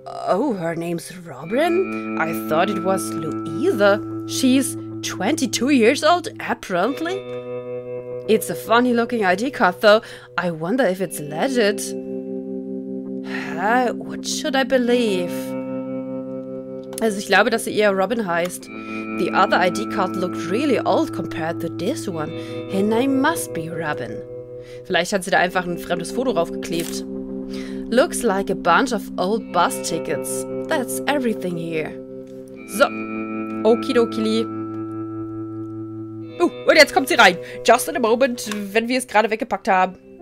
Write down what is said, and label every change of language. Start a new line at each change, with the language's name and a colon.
English: Oh, her name's Robin? I thought it was Louise. She's 22 years old, apparently. It's a funny looking ID card, though. I wonder if it's legit. What should I believe?
German: Also ich glaube, dass sie eher Robin heißt.
English: The other ID card looked really old compared to this one. Her name must be Robin.
German: Vielleicht hat sie da einfach ein fremdes Foto draufgeklebt.
English: Looks like a bunch of old bus tickets. That's everything here.
German: So. Okidokili. Und jetzt kommt sie rein.
English: Just in a moment,
German: wenn wir es gerade weggepackt haben.